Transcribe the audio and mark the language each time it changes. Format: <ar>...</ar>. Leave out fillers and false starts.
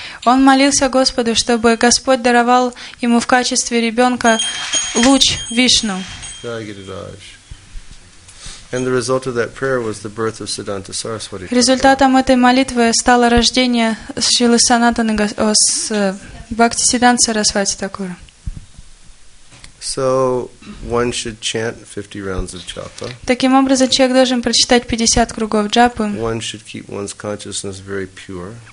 <ru>Он молился Господу, чтобы Господь даровал ему в качестве ребенка луч Вишну.</ru> <en>And the result of that prayer was the birth of Siddhanta Saraswati.</en> <ru>Результатом этой молитвы стало рождение Шрилы Санатаны Бхакти Сиддханты Сарасвати Такур.</ru> <en>So one should chant 50 rounds of japa.</en> <ru>Таким образом, человек должен прочитать 50 кругов джапы.</ru> <en>One should keep one's consciousness very pure.</en>